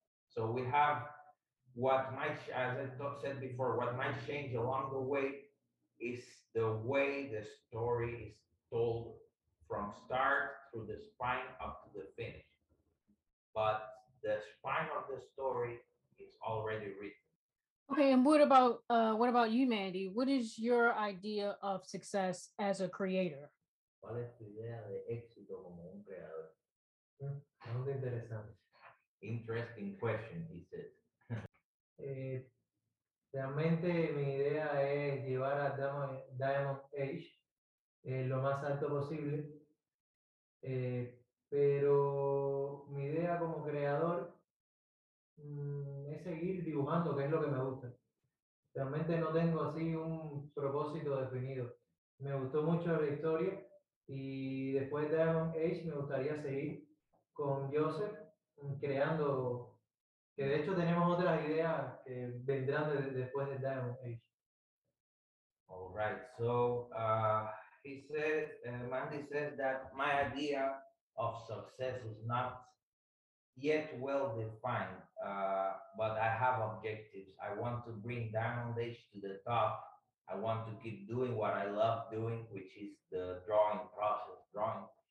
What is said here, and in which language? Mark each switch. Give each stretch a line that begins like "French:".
English: So we have what might, as I said before, what might change along the way is the way the story is told from start through the spine up to the finish. But the spine of the story is already written. Okay, and what about you, Mandy? What is your idea of success as a creator?
Spanish: ¿Cuál es tu idea de éxito como un creador? Muy interesante.
English: Interesting question, he said.
Spanish: Realmente mi idea es llevar a Diamond Age lo más alto posible. Pero mi idea como creador es seguir dibujando, que es lo que me gusta. Realmente no tengo así un propósito definido. Me gustó mucho la historia y después de Diamond Age me gustaría seguir con Joseph creando, que de hecho tenemos otras ideas que vendrán después de Diamond Age.
English: All right, so he said, Mandy said that my idea of success is not yet well defined, but I have objectives. I want to bring Diamond Age to the top. I want to keep doing what I love doing, which is the drawing process, drawing.